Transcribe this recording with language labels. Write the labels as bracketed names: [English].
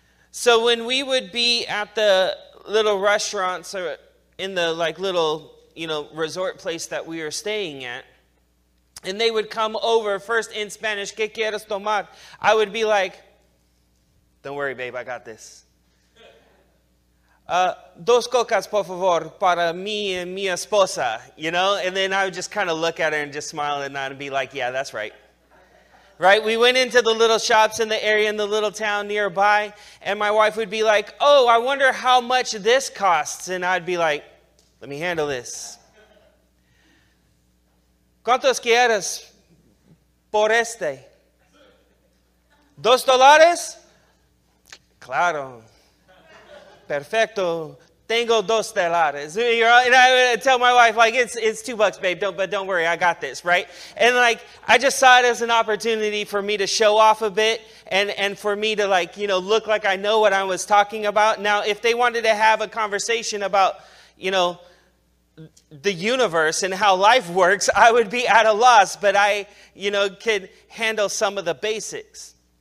[English] So when we would be at the little restaurants or in the like little, you know, resort place that we were staying at, and they would come over first in Spanish, [Spanish] ¿Qué quieres tomar? [English] I would be like, don't worry, babe, I got this. [Spanish] Dos cocas, por favor, para mí y mi esposa, [English] you know? And then I would just kind of look at her and just smile and nod and be like, yeah, that's right. Right? We went into the little shops in the area in the little town nearby, and my wife would be like, oh, I wonder how much this costs. And I'd be like, let me handle this. [Spanish] ¿Cuántos quieres por este? ¿$2? Claro. Perfecto, tengo dos telares. [English] And I would tell my wife, like, it's $2, babe, don't worry, I got this, right? And, like, I just saw it as an opportunity for me to show off a bit and for me to, like, you know, look like I know what I was talking about. Now, if they wanted to have a conversation about, you know, the universe and how life works, I would be at a loss, but I, you know, could handle some of the basics.